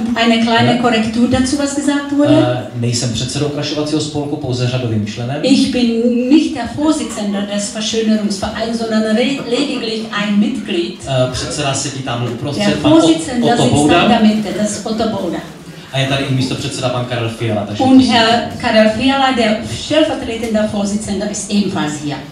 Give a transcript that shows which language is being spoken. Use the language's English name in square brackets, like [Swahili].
[German] Eine kleine Korrektur dazu, was gesagt wurde. [Czech] Nejsem předsedou okrašovacího spolku, pouze řadovým členem. [German] Ich bin nicht der Vorsitzender des Verschönerungsvereins, sondern lediglich ein Mitglied. [Czech] Předseda sedí tamhle uprostřed, pan Otto Bouda. [German] Das ist Otto Bouda. [Czech] A je tady i místo předseda pan Karel Fiala. Takže [German] und Herr Karel Fiala, der stellvertretende Vorsitzender, ist ebenfalls hier.